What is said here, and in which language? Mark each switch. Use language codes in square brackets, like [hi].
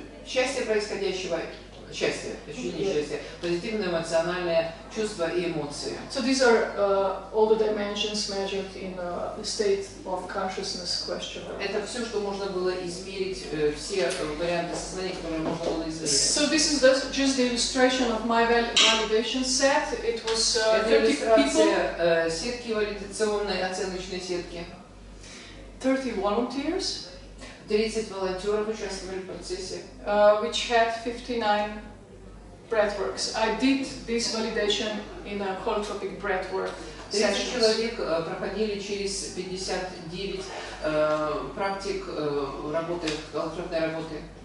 [ru] Счастье происходящего, счастье, ощущение счастья, позитивное эмоциональное чувство и эмоции. [en] So these are all the dimensions measured in the state of consciousness question. [ru] Это все, что можно было измерить, все варианты сознания, которые можно было измерить. [en] So this is just the illustration of my validation set. It was 30 people. [ru] Это иллюстрация сетки валидационной, оценочной сетки. [en] 30 volunteers. [ru] 30 волонтеров участвовали в процессе. [en] Which had 59 breathworks. I did this validation in a holotropic breathwork session. [ru] 30 человек проходили через 59 практик работы, холотропной работы.